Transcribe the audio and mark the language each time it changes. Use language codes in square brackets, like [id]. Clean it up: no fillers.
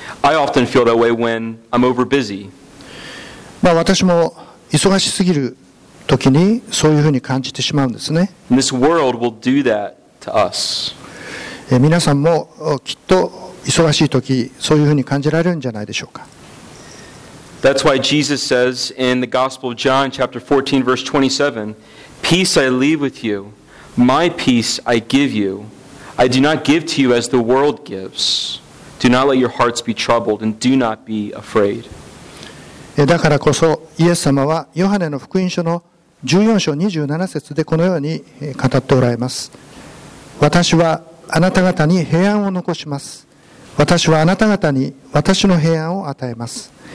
[en] I often feel that way when I'm over busy. [ja] まあ私も忙しすぎる時にそういうふうに感じてしまうんですね。 [en] This world will do that to us. [ja] 皆さんもきっと忙しい時そういうふうに感じられるんじゃないでしょうか。 [en] That's why Jesus says in the Gospel of John, chapter 14, verse 27, Peace I leave with you, my peace I give you. I do not give to you as the world gives. Do not let your hearts be troubled, and do not be afraid. [ja] だからこそ、イエス様はヨハネの福音書の14章27節でこのように語っておられます。私はあなた方に平安を残します。私はあなた方に私の平安を与えます。